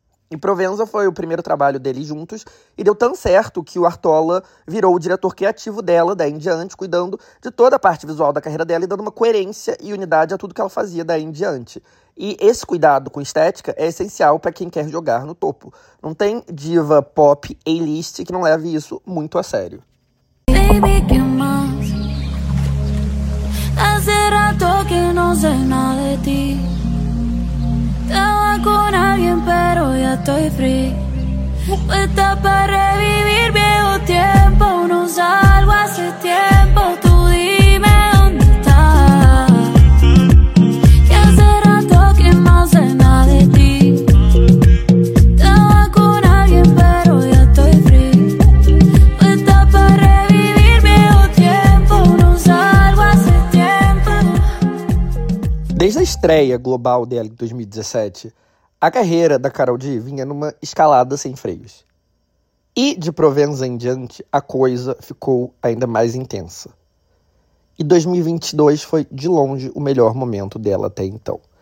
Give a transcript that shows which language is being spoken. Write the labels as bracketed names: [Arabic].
[Portuguese] E Provenza foi o primeiro trabalho deles juntos, e deu tão certo que o Artola virou o diretor criativo dela, daí em diante, cuidando de toda a parte visual da carreira dela e dando uma coerência e unidade a tudo que ela fazia daí em diante. E esse cuidado com estética é essencial para quem quer jogar no topo. Não tem diva pop A-list que não leve isso muito a sério. [Spanish] Baby, que mais? Hace rato que no sé nada de ti. Estaba con alguien, pero ya estoy free. Puesta para revivir viejo tiempo. No salgo hace tiempo. Tú dime dónde estás. Que hace rato que no sé nada de ti. Estaba con alguien, pero ya estoy free. Puesta para revivir viejo tiempo. No salgo hace tiempo. [Portuguese] Desde a estreia global dela em 2017, a carreira da Karol G vinha numa escalada sem freios. E, de Provenza em diante, a coisa ficou ainda mais intensa. E 2022 foi, de longe, o melhor momento dela até então.